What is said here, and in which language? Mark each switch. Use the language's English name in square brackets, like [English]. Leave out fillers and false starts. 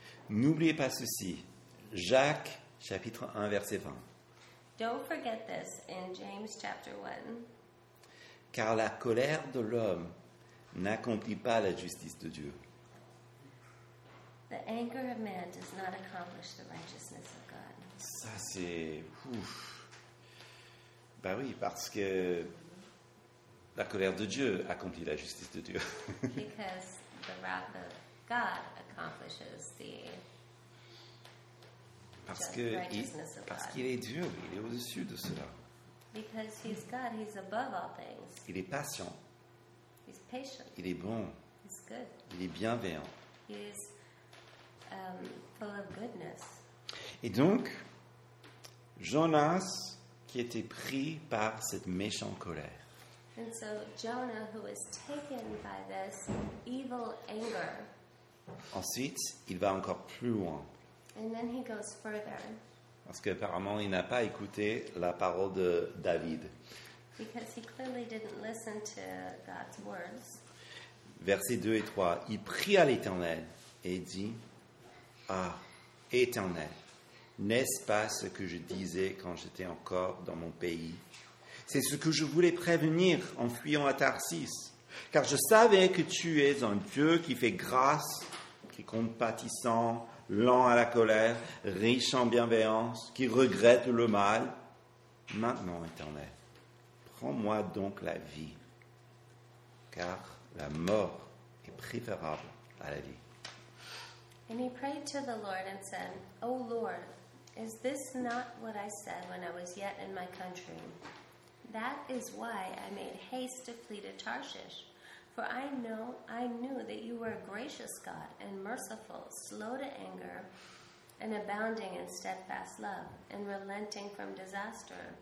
[French] n'oubliez pas ceci, Jacques chapitre 1 verset 20. [English] Don't forget this in James chapter 1. [French] Car la colère de l'homme n'accomplit pas la justice de Dieu. [English] The anger of man does not accomplish the righteousness of God. [French] Ça c'est ouf. Bah oui, parce que la colère de Dieu accomplit la justice de Dieu. [English] Because the wrath of God accomplishes the [French] parce qu'il est Dieu, il est au-dessus de cela. [English] Because he's God, he's above all things. [French] Il est patient. [English] He's patient. [French] Il est bon. [English] He's good. [French] Il est bienveillant. [English] He is full of goodness. [French] Et donc, Jonas, qui était pris par cette méchante colère. [English] And so Jonah, who was taken by this evil anger. [French] Ensuite, il va encore plus loin. [English] And then he goes further. [French] Parce qu'apparemment, il n'a pas écouté la parole de David. [English] Because he clearly didn't listen to God's words. [French] Versets 2 et 3. Il prie à l'Éternel et dit, ah, Éternel, n'est-ce pas ce que je disais quand j'étais encore dans mon pays? C'est ce que je voulais prévenir en fuyant à Tarsis. Car je savais que tu es un Dieu qui fait grâce, qui est compatissant, lent à la colère, riche en bienveillance, qui regrette le mal. Maintenant, Éternel, prends-moi donc la vie, car la mort est préférable à la vie. [English] And he prayed to the Lord and said, O Lord, is this not what I said when I was yet in my country? That is why I made haste to flee to Tarshish. For I knew that you were a gracious God and merciful, slow to anger and abounding in steadfast love and relenting from disaster.